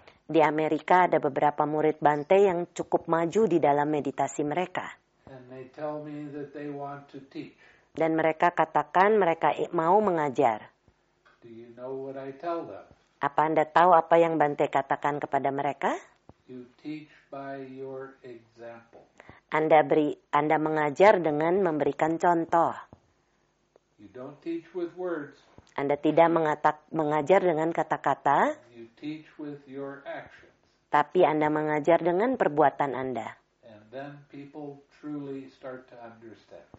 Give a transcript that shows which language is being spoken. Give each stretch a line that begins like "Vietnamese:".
Indonesian: Di Amerika ada beberapa murid Bante yang cukup maju di dalam meditasi mereka.
English: And they tell me that they want to teach.
Indonesian: Dan mereka katakan mereka mau mengajar.
English: Do you know what I tell them?
Indonesian: Apa Anda tahu apa yang Bante katakan kepada mereka?
English: You teach by your example.
Indonesian: Anda mengajar dengan memberikan contoh.
English: You don't teach with words.
Indonesian: Anda tidak mengajar dengan kata-kata,
English: you teach with your actions.
Indonesian: Tapi Anda mengajar dengan perbuatan Anda.
English: And then people truly start to understand.